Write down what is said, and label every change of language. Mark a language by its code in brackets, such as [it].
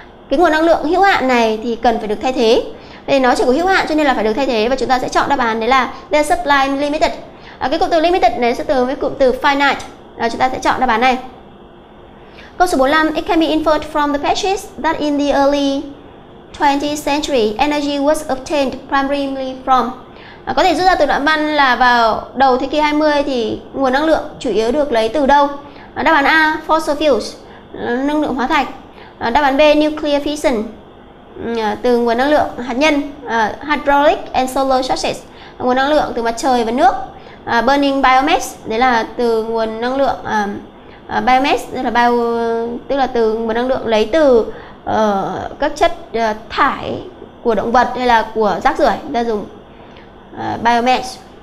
[vi] Cái nguồn năng lượng hữu hạn này thì cần phải được thay thế. Vì nó chỉ có hữu hạn cho nên là phải được thay thế, và chúng ta sẽ chọn đáp án đấy là [en] the supply limited. [vi] Cái cụm từ limited này sẽ từ với cụm từ finite. Chúng ta sẽ chọn đáp án này. Câu số 45. [en] It can be inferred from the passage that in the early 20th century, energy was obtained primarily from. [vi] Có thể rút ra từ đoạn văn là vào đầu thế kỷ 20 thì nguồn năng lượng chủ yếu được lấy từ đâu? Đáp án A, [en] fossil fuels, [vi] năng lượng hóa thạch. Đáp án B, [en] nuclear fission, [vi] từ nguồn năng lượng hạt nhân, [en] hydraulic and solar sources, [vi] nguồn năng lượng từ mặt trời và nước, [en] burning biomass, [vi] đấy là từ nguồn năng lượng biomass, tức là từ nguồn năng lượng lấy từ các chất thải của động vật hay là của rác rưởi, ta dùng biomass.